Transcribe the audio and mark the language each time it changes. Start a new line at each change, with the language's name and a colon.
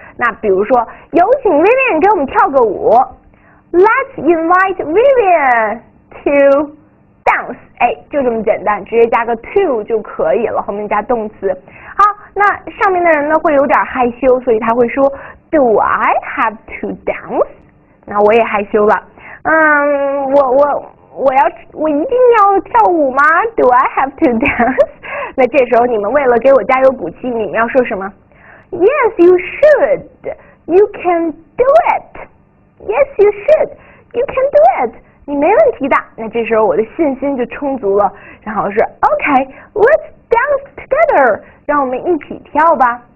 Chinese: 那比如说，有请 Vivian 给我们跳个舞。
English: Let's invite Vivian to dance，
Chinese: 哎，就这么简单，直接加个 to 就可以了，后面加动词。好，那上面的人呢会有点害羞，所以他会说
English: Do I have to dance？
Chinese: 那我也害羞了。我一定要跳舞吗？
English: Do I have to dance？
Chinese: 那这时候你们为了给我加油补气，你们要说什么？
English: Yes, you should. You can do it. Yes, you should. You can do it.
Chinese: 你没问题的，那这时候我的信心就充足了。然后是
English: OK，Let's dance together，
Chinese: 让我们一起跳吧。